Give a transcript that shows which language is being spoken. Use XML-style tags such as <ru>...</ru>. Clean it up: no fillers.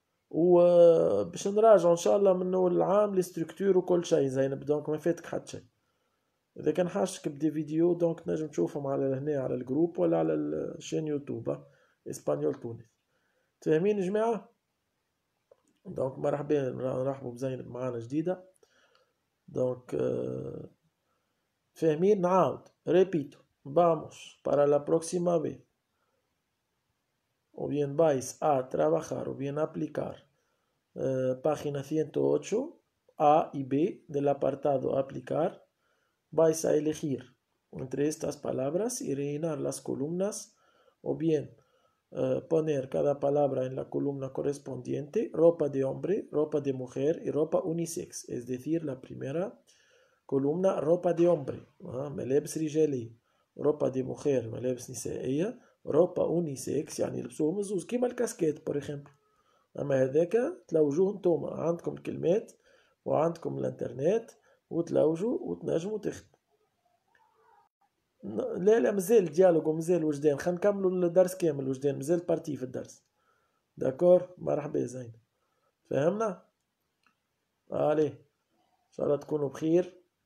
<ar>وباش نراجع ان شاء الله من اول العام لي ستركتور وكل شيء زينب. دونك ما فاتك حتى شيء. اذا كان حاجتك بدي فيديو دونك نجم تشوفهم على هنا على الجروب ولا على الشين يوتيوب اسبانيول تونس. فاهمين يا جماعه؟ دونك مرحبا، نرحبوا بزينب معانا جديده. دونك فاهمين؟ نعاود</ar> <es>ريبيتو باموس بارا لا بروكسيما بي o bien vais a trabajar o bien aplicar página 108 A y B del apartado aplicar. Vais a elegir entre estas palabras y rellenar las columnas o bien poner cada palabra en la columna correspondiente, ropa de hombre, ropa de mujer y ropa unisex, es decir, la primera columna ropa de hombre,</es> <ar>melebs rijeli,</ar> <es>ropa de mujer,</es> <ar>melebs niseia,</ar> <es>ropa unisex</es> <ar>يعني لبسوه مزوز كيما الكاسكيت بور اكزومبل. اما هذاك تلوجوه نتوما، عندكم الكلمات وعندكم الانترنت وتلوجو وتنجمو تخدمو. لا لا مازال ديالوج ومازال وجدان، خلينا نكملو الدرس كامل وجدان، مازال بارتي في الدرس. داكور مرحبا زين، فهمنا؟ علي ان شاء الله تكونوا بخير.</ar>